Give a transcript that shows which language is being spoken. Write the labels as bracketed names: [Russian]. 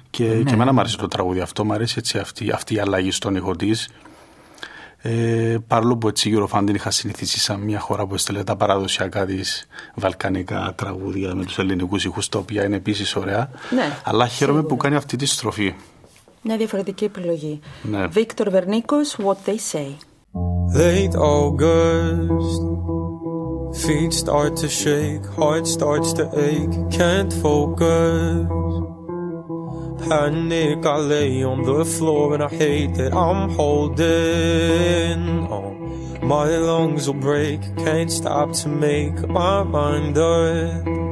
[Greek] Και, ναι, και εμένα μου αρέσει το τραγούδι αυτό. Μου αρέσει έτσι αυτή η αλλαγή στον ήχο της. Παρόλο που έτσι η Eurofan την είχα συνηθίσει σαν μια χώρα που έστειλε τα παραδοσιακά της βαλκανικά τραγούδια με τους ελληνικούς ήχους, τα οποία είναι επίσης ωραία. Ναι, αλλά χαίρομαι που κάνει αυτή τη στροφή. Μια διαφορετική επιλογή. Ναι. Βίκτορ Βερνίκος, What They Say. [English] Late August. Feet start to shake, heart starts to ache, can't focus. Panic, I lay on the floor and I hate that I'm holding on. My lungs will break, can't stop to make my mind up.